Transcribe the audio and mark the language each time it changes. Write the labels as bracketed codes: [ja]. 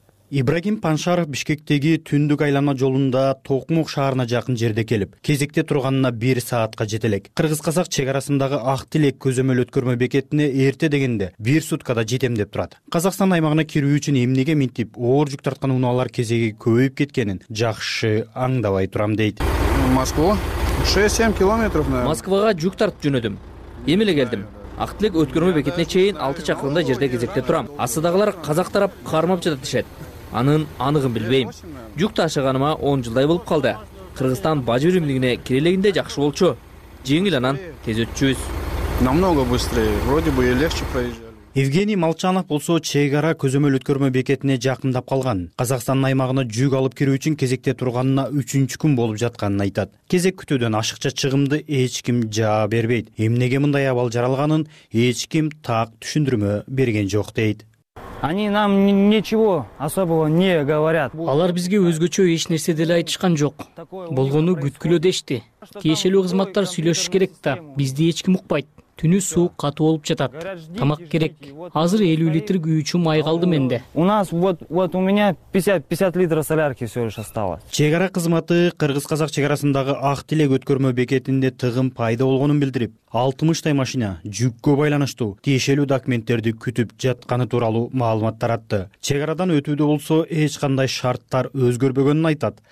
[ky] Ибрагим Паншаров Бишкектеги түндүк айлана жолунда Токмок шаарына жакын жерде келип, кезекте турганына 1 саатка жете элек. Кыргыз-казак чек арасындагы Ак Тилек көзөмөл өткөрмө бекетине эрте дегенде 1 суткада жетем деп турат. Казакстан аймагына кирүү үчүн эмнеге минтип оор жүк тарткан унаалар кезеги көбөйүп кеткенин жакшы аңдабай турам дейт. [ru] Москва 6-7 километров, наверное. [ky] Москвага жүк тартып жөнөдүм. Эми эле келдим. Ак Тилек өткөрмө бекетине чейин 6 чакырымдай жерде кезекте турам. Асыдагылар казак тарап кармап жатат дешет. Анын аныгын билбейм. Жүк ташыганыма 10 жылдай болуп калды. Кыргызстан бажы биримдигине кире элегинде жакшы болчу. Жеңил анан тез өтчүбүз. [ru] Намного быстрее, вроде бы и легче проезжать. [ky] Евгений Молчанов болсо чек ара көзөмөл өткөрмө бекетине жакындап калган. Казакстандын аймагына жүк алып кирүү үчүн кезекте турганына 3-чү күн болуп жатканын айтат. Кезек күтүүдөн ашыкча чыгымды эч ким жаа бербейт. Эмнеге мындай абал жаралганын эч ким так түшүндүрмө берген жок дейт. [ru] Они нам ничего особого не говорят. [ky] Алар бизге өзгөчө эч нерсе деле айтышкан жок. Болгону күткүлө дешти. Тиешелүү кызматтар сүйлөшүш керек да, бизди эч ким укпайт. Түнү суук катуу болуп жатат. Тамак керек. Азыр 50 литр күйүүчү май калды менде. [ru] У нас вот у меня 50 литр солярки всё лишь осталось. [ky] Чек ара кызматы кыргыз-казак чек арасындагы Ак Тилек өткөрмө бекетинде тыгын пайда болгонун билдирип, 60 машина жүккө байланыштуу тиешелүү документтерди күтүп жатканы тууралуу маалымат таратты. Чек арадан өтүүдө болсо эч кандай шарттар өзгөрбөгөнүн айтат.